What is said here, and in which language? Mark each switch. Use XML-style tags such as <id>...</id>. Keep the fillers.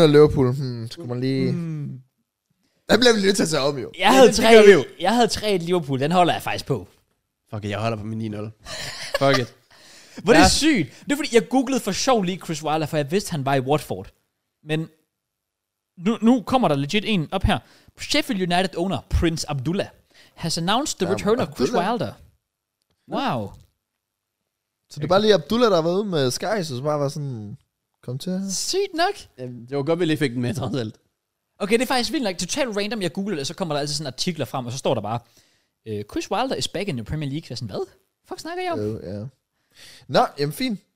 <da>den... Liverpool. Hmm, skulle man lige... Hmm. Der bliver vi nødt til at tage om, jo. jo. Jeg havde, tre, jeg havde 3 Liverpool. Den holder jeg faktisk på. Fuck it, jeg holder på min 9-0. Fuck it. Hvor ja. det er sygt. Det er fordi, jeg googlede for sjov lige Chris Wilder, for jeg vidste, han var i Watford. Men nu, nu kommer der legit en op her.</da> <en>Sheffield United owner Prince Abdullah has announced the return</en> <da>Jamen,</da> <en>of Chris Wilder.</en> <da>Ja. Wow. Så det er okay. bare lige Abdullah, der var været ude med Sky, så bare var sådan... Kom til Sygt nok. Ja, det var godt, vi lige fik den med, trods alt. Okay, det er faktisk vildt nok. Like, Total random, jeg googler det, så kommer der altid sådan artikler frem, og så står der bare,</da> <en>Chris Wilder is back in the Premier League.</en> <da>Jeg er sådan, hvad? Fuck snakker jeg om? Jo, uh, ja. Yeah. Nå, jamen fint.</da>